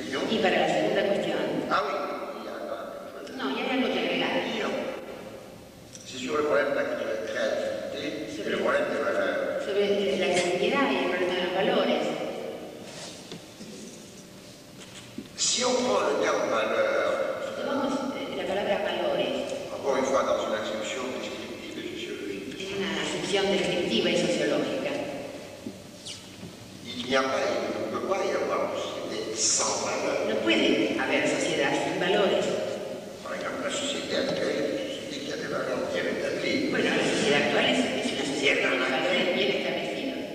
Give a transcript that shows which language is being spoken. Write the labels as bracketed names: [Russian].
[Spanish] Y para la segunda cuestión. [French] Ah, oui. [Spanish] No, ya hay algo que agregar. [French] C'est sur le problème de la créativité et le problème de la valeur. [Spanish] Sobre la creatividad y el problema de los valores. [French] Si on prend le terme valeur, [Spanish] la palabra valores, [French] encore une fois dans une acception descriptive et sociologique, [Spanish] en una acepción descriptiva y sociológica, [French] il ne peut pas y avoir une société sans valeur. [Spanish] No puede haber sociedad sin valores. [French] Par exemple, la société actuelle est une société qui a des valeurs bien établies. [Spanish] Bueno, la sociedad actual es una sociedad con valores bien establecidos.